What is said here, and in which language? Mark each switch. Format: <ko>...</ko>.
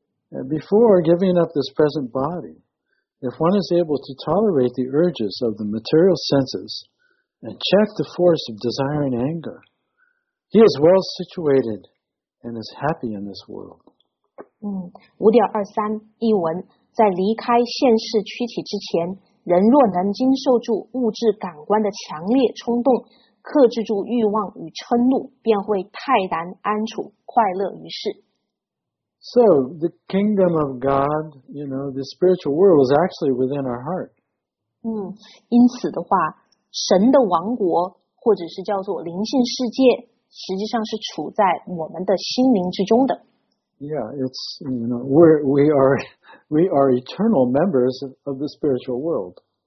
<en>Before giving up this present body, if one is able to tolerate the urges of the material senses and check the force of desire and anger, he is well situated and is happy in this world.</en> <zh>5.23 译文，在离开现世躯体之前，人若能经受住物质感官的强烈冲动，克制住欲望与嗔怒，便会泰然安处，快乐于世。</zh> <en>So the kingdom of God, you know, the spiritual world is actually within our heart.</en> <zh>因此的话，神的王国或者是叫做灵性世界，实际上是处在我们的心灵之中的。</zh> <en>We are eternal members of the spiritual world.</en>